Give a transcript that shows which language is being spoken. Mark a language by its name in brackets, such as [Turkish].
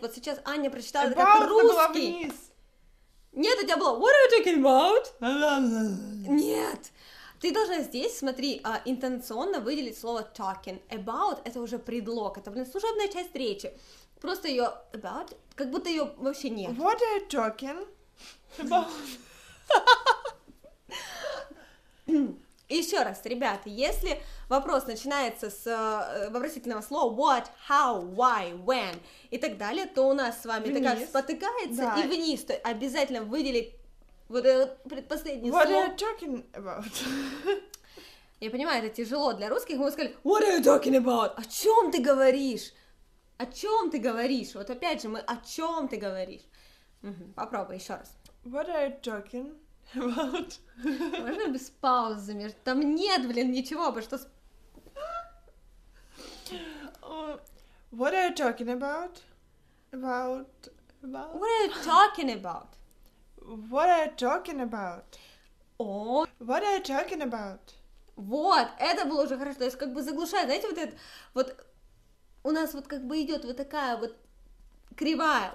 [Russian] Вот сейчас Аня прочитала это как русский. Нет, у тебя было [English] What are you talking about? [Russian] Нет. Ты должна здесь, смотри, интонационно выделить слово talking. About — это уже предлог, это, блин, служебная часть речи. Просто ее about, как будто ее вообще нет. [English] What are you talking about? [Russian] Еще раз, ребята, если вопрос начинается с вопросительного слова what, how, why, when и так далее, то у нас с вами вниз. Такая спотыкается, да. И вниз, то обязательно выдели вот это предпоследнее [English] what [Russian] слово. [English] What are you talking about? [Russian] Я понимаю, это тяжело для русских, мы сказали, [English] what are you talking about? [Russian] О чем ты говоришь? О чем ты говоришь? Вот опять же, мы о чем ты говоришь? Угу. Попробуй еще раз. [English] What are you talking about? About. [Russian] Можно без паузы? Там нет, блин, ничего, потому что... [English] What are you talking about? About... About... What are you talking about? What are you talking about? Oh. What are you talking about? [Russian] Вот, это было уже хорошо, то есть как бы заглушает, знаете, вот это... Вот у нас вот как бы идет вот такая вот кривая.